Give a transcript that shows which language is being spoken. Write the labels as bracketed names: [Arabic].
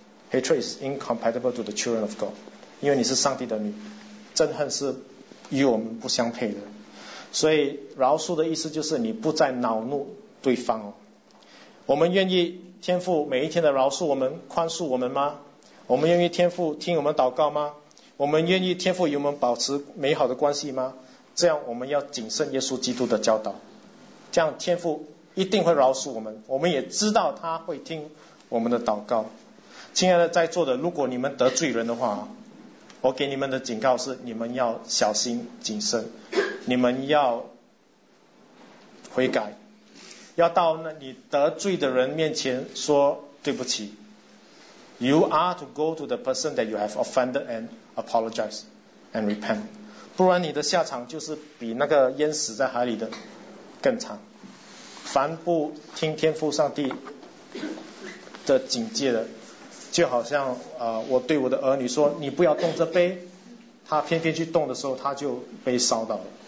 [English] Hatred is incompatible to the children of God. [Chinese] 因为你是上帝的女，憎恨是与我们不相配的。所以饶恕的意思就是你不再恼怒对方我们愿意天父每一天的饶恕我们，宽恕我们吗？我们愿意天父听我们祷告吗？我们愿意天父与我们保持美好的关系吗？这样我们要谨慎耶稣基督的教导，这样天父一定会饶恕我们，我们也知道他会听我们的祷告。亲爱的在座的，如果你们得罪人的话，我给你们的警告是你们要小心谨慎，你们要悔改，要到那你得罪的人面前说对不起。 [English] You are to go to the person that you have offended and apologize and repent. [Chinese] 不然你的下场就是比那个淹死在海里的更惨。凡不听天父上帝的警戒的，就好像我对我的儿女说你不要动这杯，他偏偏去动的时候他就被烧到了。